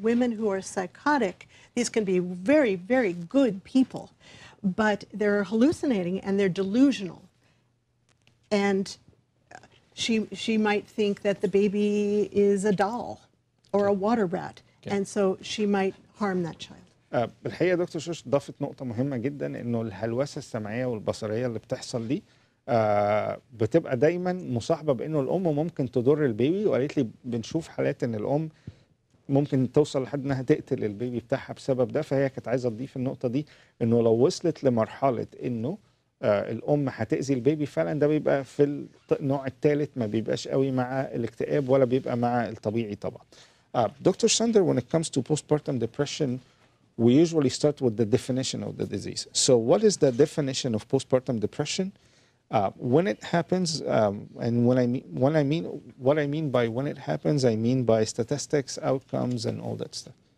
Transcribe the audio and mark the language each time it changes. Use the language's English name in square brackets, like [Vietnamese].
[English] Women who are psychotic, these can be very, very good people, but they're hallucinating and they're delusional. And she might think that the baby is a doll or a water rat, and so she might harm that child. [Arabic] بالحقيقة دكتور شوش ضافت نقطة مهمة جدا، إنه الهلوسة السمعية والبصرية اللي بتحصل دي بتبقى دايما مصاحبة بإنه الأم ممكن تضر البيبي، وقالت لي بنشوف حالات إن الأم ممكن توصل لحد إنها تقتل البيبي بتاعها بسبب ده. فهي كانت عايزة تضيف النقطة دي، إنه لو وصلت لمرحلة إنه الأم هتأذي البيبي فعلا، ده بيبقى في النوع الثالث، ما بيبقاش قوي مع الاكتئاب ولا بيبقى مع الطبيعي طبعا. [English] Dr. Sunder, when it comes to postpartum depression, we usually start with the definition of the disease. So what is the definition of postpartum depression? When it happens, and what I mean by statistics, outcomes, and all that stuff.